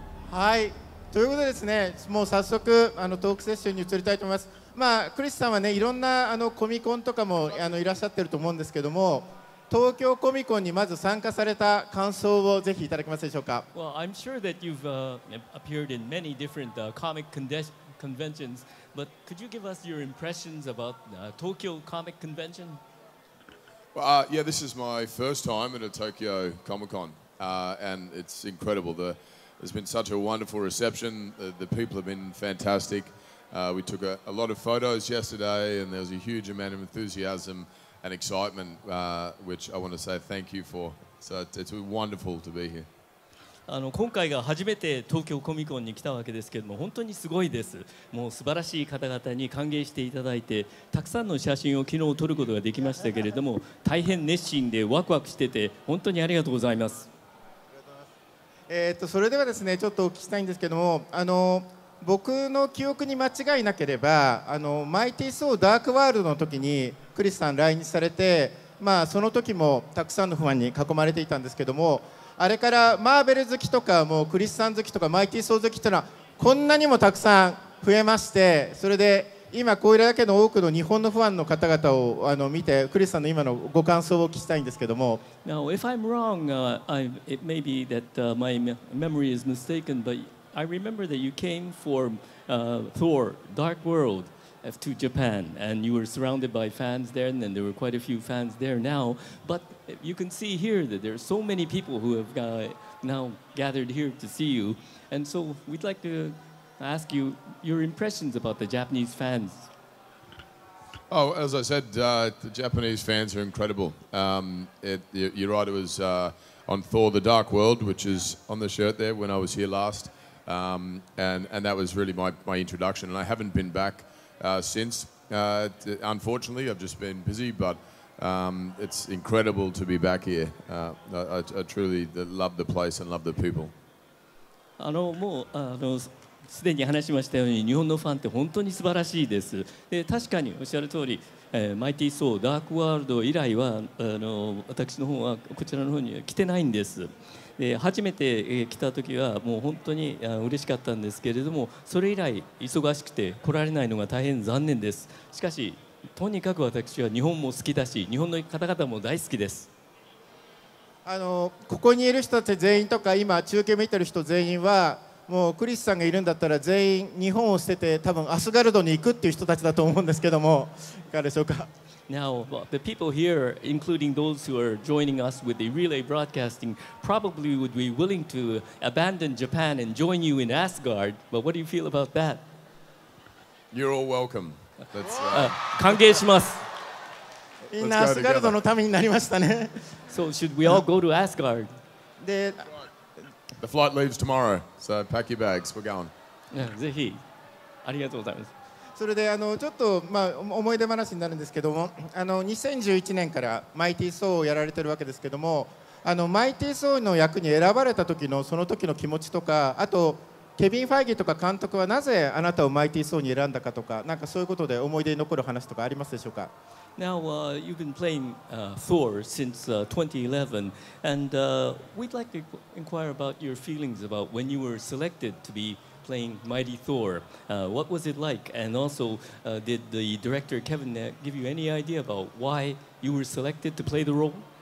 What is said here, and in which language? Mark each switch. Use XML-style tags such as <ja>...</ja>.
<ja>はい、ということでですね、もう早速トークセッションに移りたいと思います。まあクリスさんはね、いろんなコミコンとかもいらっしゃってると思うんですけども、東京コミコンにまず参加された感想をぜひいただけますでしょうか。</ja> <en>Well, I'm sure that you've appeared in many different comic conventions, but could you give us your impressions about Tokyo Comic Convention? Yeah, this is my first time at a Tokyo Comic Con, and it's incredible. There's been such a wonderful reception. The people have been fantastic. We took a lot of photos yesterday, and there was a huge amount of enthusiasm and excitement, which I want to say thank you for. So it's wonderful to be here.</en> <ja>今回が初めて東京コミコンに来たわけですけども、本当にすごいです。もう素晴らしい方々に歓迎していただいて、たくさんの写真を昨日撮ることができましたけれども、大変熱心でワクワクしてて本当にありがとうございます。それではですね、ちょっとお聞きしたいんですけども、僕の記憶に間違いなければ、マイティソーダークワールドの時にクリスさん来日されて、まあその時もたくさんのファンに囲まれていたんですけども、あれからマーベル好きとか、もうクリスさん好きとか、マイティソー好きというのはこんなにもたくさん増えまして、それで今これだけの多くの日本のファンの方々を見て、クリスさんの今のご感想を聞きたいんですけども。</ja> <en>Now if I'm wrong, it may be that my memory is mistaken, but I remember that you came for Thor Dark World to Japan, and you were surrounded by fans there, and then there were quite a few fans there now, butYou can see here that there are so many people who have now gathered here to see you. And so we'd like to ask you your impressions about the Japanese fans. Oh, as I said, the Japanese fans are incredible. You're right, it was on Thor The Dark World, which is on the shirt there, when I was here last. And that was really my introduction. And I haven't been back since. Unfortunately, I've just been busy, but... it's incredible to be back here. I truly love the place and love the people.</en> <ja>もうすでに話しましたように、日本のファンって本当に素晴らしいです。で、確かにおっしゃる通り、マイティソー、ダークワールド以来は私の方はこちらの方には来てないんです。で、初めて来た時はもう本当に嬉しかったんですけれども、それ以来忙しくて来られないのが大変残念です。しかし、とにかく私は日本も好きだし、日本の方々も大好きです。ここにいる人たち全員とか、今中継見てる人全員は、もうクリスさんがいるんだったら全員日本を捨てて多分アスガルドに行くっていう人たちだと思うんですけども、いかがでしょうか。</ja> <en>Now, the people here, including those who are joining us with the relay broadcasting, probably would be willing to abandon Japan and join you in Asgard. But what do you feel about that? You're all welcome.</en> <ja>歓迎します。みんなアスガルドのためになりましたね。</ja> <en>So should we all go to Asgard?</en> <ja>で、</ja> <en>The flight leaves tomorrow, so pack your bags. We're going.</en> <ja>ぜひ。ありがとうございます。それでちょっと、まあ、思い出話になるんですけども、2011年からマイティソーをやられてるわけですけども、マイティソーの役に選ばれた時のその時の気持ちとか、あとケビン・ファイギーとか監督はなぜあなたをマイティソーに選んだかとか、なんかそういうことで思い出に残る話とかありますでしょうか。 Now, you've been playing Thor since 2011, and we'd like to inquire about your feelings about when you were selected to be playing Mighty Thor. What was it like? And also, did the director Kevin give you any idea about why you were selected to play the role?</ja>